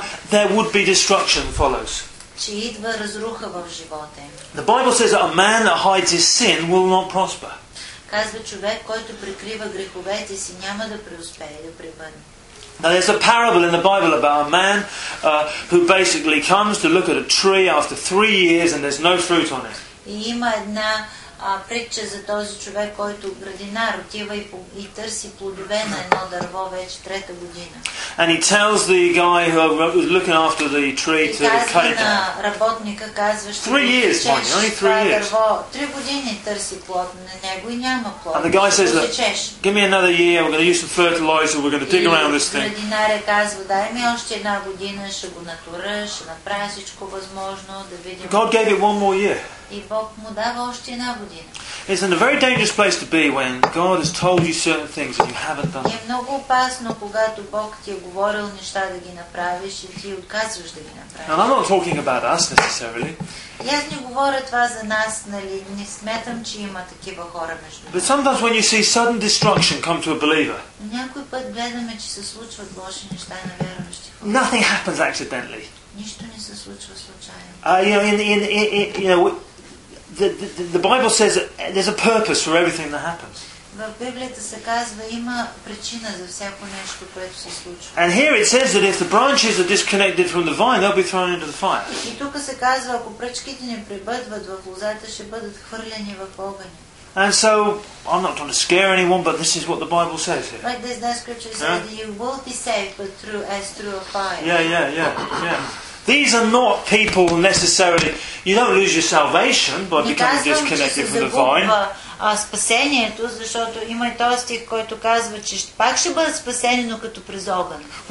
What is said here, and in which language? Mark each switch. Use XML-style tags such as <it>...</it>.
<en>There would be destruction follows. The Bible says that a man that hides his sin will not prosper.</en> <bg>Казва човек, който прикрива греховете си, няма да преуспее, да превърне.</bg> <en>Now there's a parable in the Bible about a man who basically comes to look at a tree after 3 years and there's no fruit on it.</en> <bg>Има една притча за този човек, който градинар отива и търси плодове на едно дърво вече трета година.</bg> <en>And he tells the guy who was looking after the tree to cut it down.</en> <bg>Работника казва,</bg> <en>3 years, only 3 years.</en> <bg>Три години търси плод на него и няма плод.</bg> <en>And the guy says, look, give me another year, we're going to use some fertilizer, we're going to dig around this thing.</en> <bg>Градинарът казва, дай ми още една година, ще го натура, ще направя всичко възможно, да видим.</bg> <en>God gave it one more year.</en> <bg>И Бог му дава още една година.</bg> <en>It's in a very dangerous place to be when God has told you certain things and you haven't done.</en> <bg>Е много опасно, когато Бог ти е говорил неща да ги направиш и ти отказваш да ги направиш.</bg> <en>And I'm not talking about us necessarily.</en> <bg>И аз не говоря това за нас, нали? Не сметам, че има такива хора между нас.</bg> <en>But sometimes when you see sudden destruction come to a believer.</en> <bg>Някой път гледаме, че се случват лоши неща на вярващи.</bg> <en>Nothing happens accidentally.</en> <bg>Нищо не се случва случайно.</bg> <en>The Bible says that there's a purpose for everything that happens.</en> <bg>В Библията се казва има причина за всяко нещо, което се случва.</bg> <en>And here it says that if the branches are disconnected from the vine, they'll be thrown into the fire.</en> <bg>И тук се казва, ако пръчките не прибъдват в лозата, ще бъдат хвърлени в огъня.</bg> <en>And so I'm not trying to scare anyone, but this is what the Bible says here. Like this, that scripture said, yeah? You will be saved, but as through a fire. Yeah. These are not people necessarily. You don't lose your salvation by becoming disconnected from the vine.</en> <bg>Спасението, защото има и този стих, който казва, че пак ще бъдат спасени, но като през огън.</bg>